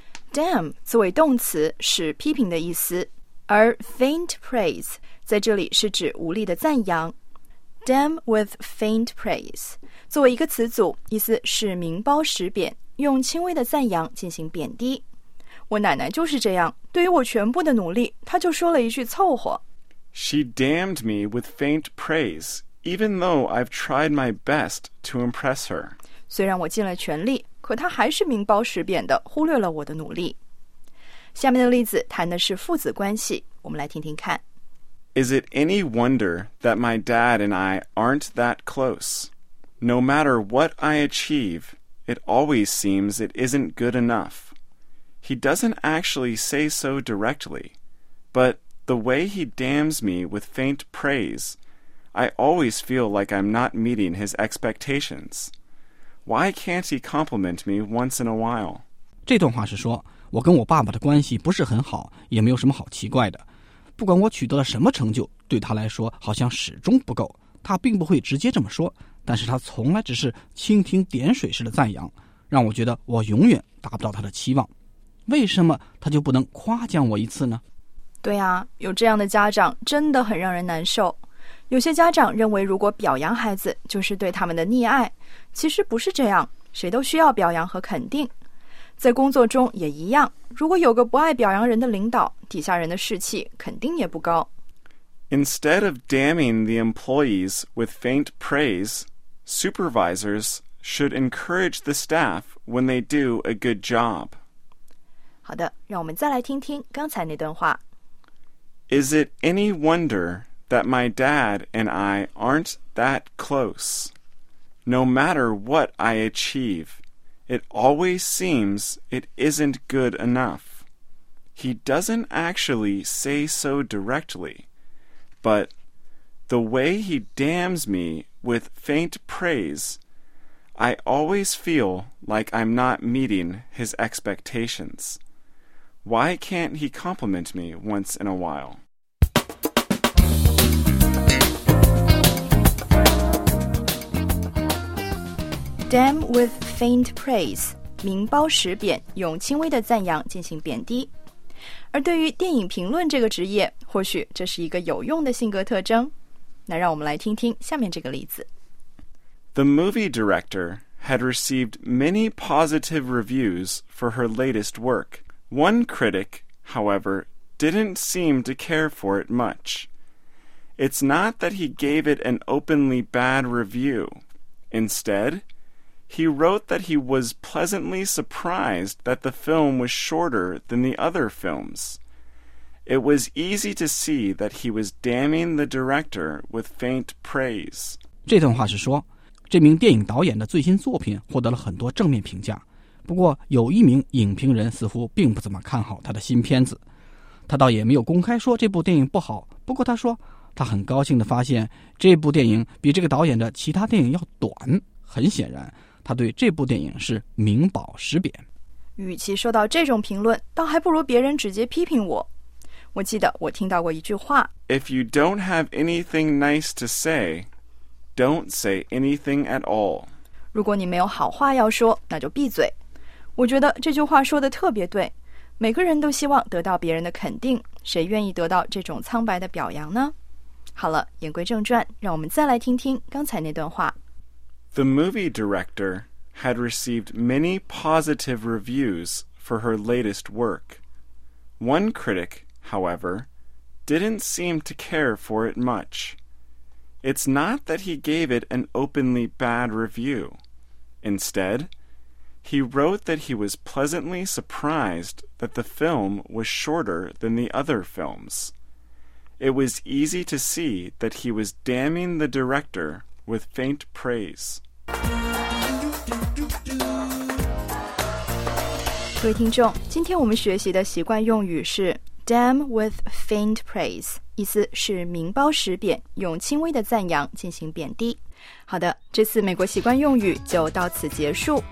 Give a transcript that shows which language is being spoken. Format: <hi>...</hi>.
<zh>Damn 作为动词是批评的意思。而 faint praise 在这里是指无力的赞扬。</zh> <en>Damn with faint praise</en> <zh>作为一个词组，意思是名包实贬，用轻微的赞扬进行贬低。我奶奶就是这样，对于我全部的努力，她就说了一句凑合。</zh> <en>She damned me with faint praise, even though I've tried my best to impress her.</en> <zh>虽然我尽了全力，可她还是名包实贬地忽略了我的努力。下面的例子谈的是父子关系，我们来听听看。</zh> <en>Is it any wonder that my dad and I aren't that close? No matter what I achieve, it always seems it isn't good enough. He doesn't actually say so directly, but the way he damns me with faint praise, I always feel like I'm not meeting his expectations. Why can't he compliment me once in a while?</en> <zh>这段话是说我跟我爸爸的关系不是很好，也没有什么好奇怪的。不管我取得了什么成就，对他来说好像始终不够。他并不会直接这么说，但是他从来只是蜻蜓点水式的赞扬，让我觉得我永远达不到他的期望。为什么他就不能夸奖我一次呢？对啊，有这样的家长真的很让人难受。有些家长认为如果表扬孩子就是对他们的溺爱，其实不是这样，谁都需要表扬和肯定。在工作中也一样，如果有个不爱表扬人的领导，底下人的士气肯定也不高。</zh> <en>Instead of damning the employees with faint praise, supervisors should encourage the staff when they do a good job.</en> <zh>好的，让我们再来听听刚才那段话。</zh> <en>Is it any wonder that my dad and I aren't that close? No matter what I achieve, it always seems it isn't good enough. He doesn't actually say so directly, but the way he damns me with faint praise, I always feel like I'm not meeting his expectations. Why can't he compliment me once in a while? Damn with faint praise,</en> <zh>名包实贬，用轻微的赞扬进行贬低。而对于电影评论这个职业，或许这是一个有用的性格特征。那让我们来听听下面这个例子。</zh> <en>The movie director had received many positive reviews for her latest work. One critic, however, didn't seem to care for it much. It's not that he gave it an openly bad review. Instead,He wrote that he was pleasantly surprised that the film was shorter than the other films. It was easy to see that he was damning the director with faint praise.</en> <zh>这段话是说，这名电影导演的最新作品获得了很多正面评价，不过有一名影评人似乎并不怎么看好他的新片子。他倒也没有公开说这部电影不好，不过他说，他很高兴地发现这部电影比这个导演的其他电影要短。很显然他对这部电影是名保实贬。与其受到这种评论，倒还不如别人直接批评我。我记得我听到过一句话</zh> <en>If you don't have anything nice to say, don't say anything at all.</en> <zh>如果你没有好话要说，那就闭嘴。我觉得这句话说得特别对。每个人都希望得到别人的肯定，谁愿意得到这种苍白的表扬呢？好了，言归正传，让我们再来听听刚才那段话。</zh> <en>The movie director had received many positive reviews for her latest work. One critic, however, didn't seem to care for it much. It's not that he gave it an openly bad review. Instead, he wrote that he was pleasantly surprised that the film was shorter than the other films. It was easy to see that he was damning the director with faint praise.</en> <zh>各位听众，今天我们学习的习惯用语是</zh> <en>damn with faint praise，</en> <zh>意思是名包实贬，用轻微的赞扬进行贬低。好的，这次美国习惯用语就到此结束。</zh>